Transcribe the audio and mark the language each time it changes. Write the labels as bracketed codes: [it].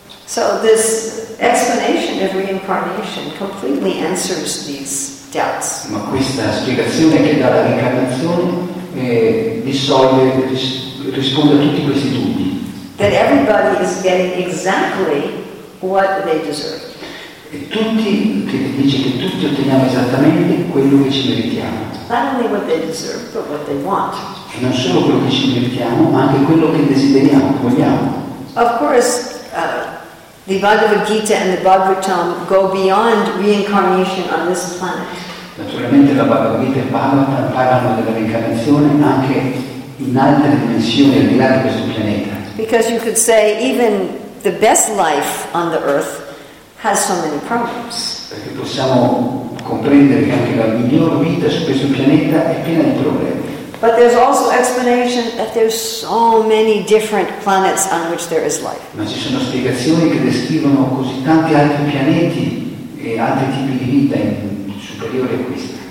[en] So this explanation of reincarnation completely answers these doubts. [it] Ma questa spiegazione che dà la reincarnazione risolve, risponde a tutti questi dubbi. [en] That everybody is getting exactly what they deserve. [it] E tutti, che dice che tutti otteniamo esattamente quello che ci meritiamo. [en] Not only what they deserve, but what they want. [it] E non solo quello che ci meritiamo, ma anche quello che desideriamo, vogliamo. [en] Of course, the Bhagavad Gita and the Bhagavatam go beyond reincarnation on this planet. [it] Naturalmente la Bhagavad Gita e il Bhagavatam parlano della reincarnazione anche in altre dimensioni al di là di questo pianeta. [en] Because you could say even the best life on the earth has so many problems. [it] Perché possiamo comprendere che anche la miglior vita su questo pianeta è piena di problemi. [en] But there's also explanation that there's so many different planets on which there is life. [it] Ma ci sono spiegazioni che descrivono così tanti altri pianeti e altri tipi di vita superiori a questo.